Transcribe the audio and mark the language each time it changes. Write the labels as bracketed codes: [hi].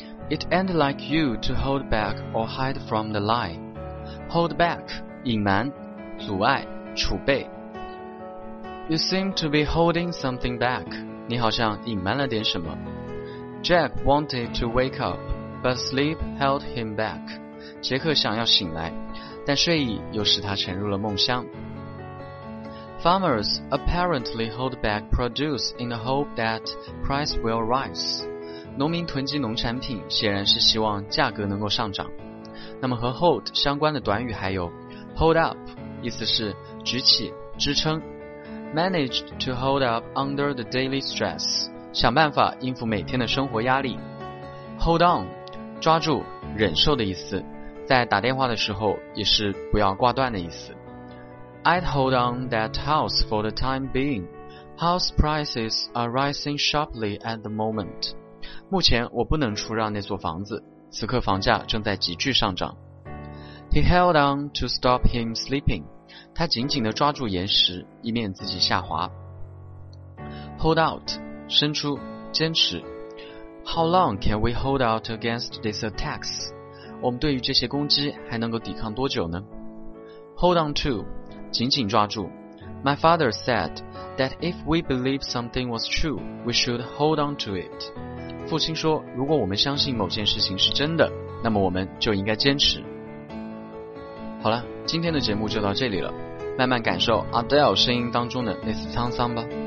[en] It ain't like you to hold back or hide from the lie. Hold back, [zh] 隐瞒、阻碍、储备。 [en] You seem to be holding something back. [zh] 你好像隐瞒了点什么。 [en] Jack wanted to wake up, but sleep held him back. [zh] 杰克想要醒来，但睡意又使他沉入了梦乡。 [en] Farmers apparently hold back produce in the hope that price will rise. [zh] 农民囤积农产品，显然是希望价格能够上涨。那么和 hold 相关的短语还有 [en] hold up， [zh] 意思是举起、支撑。 [en] Managed to hold up under the daily stress， [zh] 想办法应付每天的生活压力。 [en] Hold on， [zh] 抓住、忍受的意思，在打电话的时候也是不要挂断的意思。 [en] I'd hold on that house for the time being. House prices are rising sharply at the moment. [zh] 目前我不能出让那座房子，此刻房价正在急剧上涨。 [en] He held on to stop him sleeping. [zh] 他紧紧地抓住岩石，以免自己下滑。 [en] Hold out， [zh] 伸出、坚持。 [en] How long can we hold out against these attacks? [zh] 我们对于这些攻击还能够抵抗多久呢？ [en] Hold on to， [zh] 紧紧抓住。 [en] My father said that if we believe something was true, we should hold on to it. [zh] 父亲说，如果我们相信某件事情是真的，那么我们就应该坚持。好了，今天的节目就到这里了，慢慢感受 Adele 声音当中的那丝沧桑吧。